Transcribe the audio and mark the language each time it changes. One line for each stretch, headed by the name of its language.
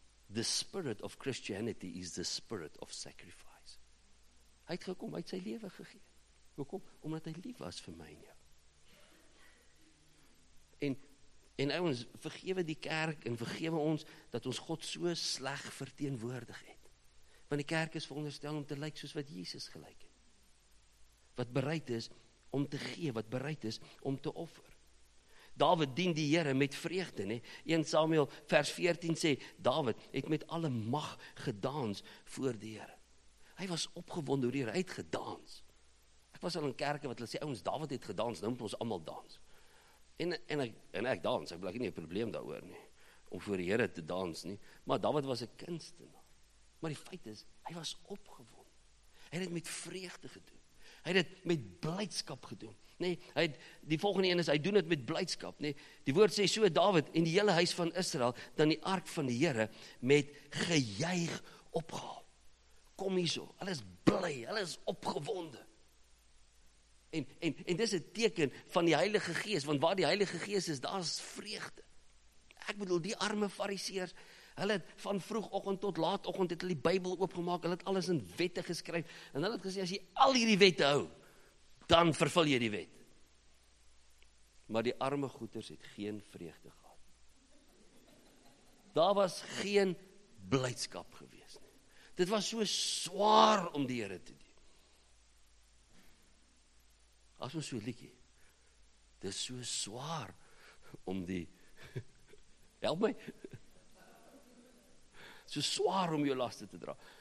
English: The spirit of Christianity is the spirit of sacrifice.
Afrikaans: Hy het gekom, hy het sy lewe gegee. Hoekom? Omdat hy lief was vir my en jou. En ouens, vergewe die kerk en vergewe ons dat ons God so sleg verteenwoordig het. Want die kerk is veronderstel om te lyk soos wat Jesus gelyk het. Wat bereid is om te gee, wat bereid is om te offer. Dawid dien die Here met vreugde, nê? 1 Samuel vers 14 sê, Dawid het met alle mag gedans voor die Here. Hy was opgewonde oor die Here, hy het gedans. Ek was al in kerke wat hulle sê, ouens, Dawid het gedans, nou moet ons almal dans. En ek dans, ek blik nie 'n probleem daaroor nie, om voor die Here te dans nie, maar Dawid was 'n kunstenaar. Maar die feit is, hy was opgewonde. Hy het dit met vreugde gedoen. Hy het dit met blydskap gedoen. Nee, hy het, die volgende een is, hy doen dit met blydskap. Nee, die woord sê, so Dawid en die hele huis van Israel, dan die ark van die Here, met gejuig opgehaal. Kom hierso, hulle is bly, hulle is opgewonde. En dis 'n teken van die Heilige Gees, want waar die Heilige Gees is, daar is vreugde. Ek bedoel, die arme fariseers, hulle het van vroegoggend tot laatoggend het hulle die Bybel oopgemaak, hulle het alles in wette geskryf, en hulle het gesê, as jy al hierdie wette hou, dan vervul jy die wet. Maar die arme goeters het geen vreugde gehad. Daar was geen blydskap gewees nie. Dit was so swaar om die Here te dien. As ons so liedjie, dit is so swaar om die, help my, so swaar om jou laste te dra.